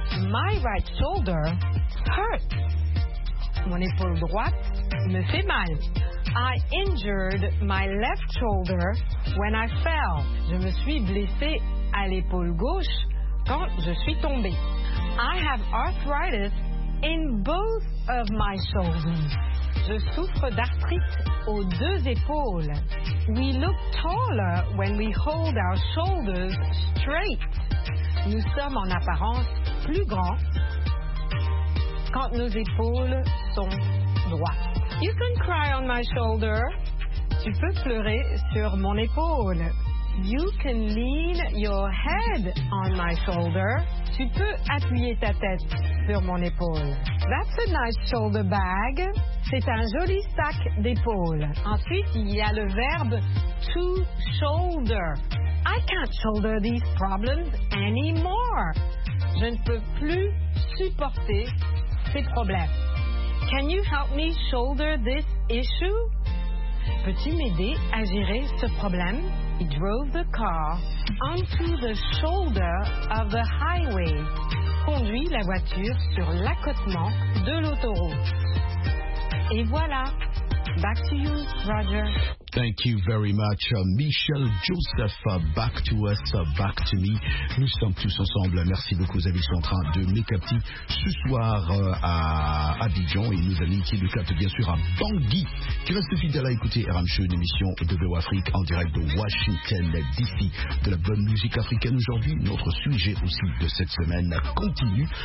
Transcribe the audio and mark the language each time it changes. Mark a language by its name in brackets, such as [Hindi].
[English] My right shoulder hurts. [French] Mon épaule droite me fait mal. [English] I injured my left shoulder when I fell. [French] Je me suis blessé à l'épaule gauche quand je suis tombé. [English] I have arthritis in both of my shoulders. [French] Je souffre d'arthrite aux deux épaules. [English] We look taller when we hold our shoulders straight. [French] Nous sommes en apparence plus grands quand nos épaules sont droites. [English] You can cry on my shoulder. [French] Tu peux pleurer sur mon épaule. [English] You can lean your head on my shoulder. [French] Tu peux appuyer ta tête sur mon épaule. [English] That's a nice shoulder bag. [French] C'est un joli sac d'épaule. Ensuite, il y a le verbe to shoulder. [English] I can't shoulder these problems anymore. [French] Je ne peux plus supporter ces problèmes. [English] Can you help me shoulder this issue? [French] Peux-tu m'aider à gérer ce problème? [English] He drove the car onto the shoulder of the highway. [French] Conduit la voiture sur l'accotement de l'autoroute. Et voilà. [English] Back to you, Roger. Thank you very much, Michel Joseph. Back to us, back to me. [French] Nous sommes tous ensemble. Merci beaucoup aux amis qui sont en train de m'écapter ce soir à Abidjan et nos amis qui nous captent bien sûr à Bangui. Qui reste fidèle à écouter RM Show, une émission de VOA Afrique en direct de Washington DC. De la bonne musique africaine aujourd'hui. Notre sujet aussi de cette semaine continue.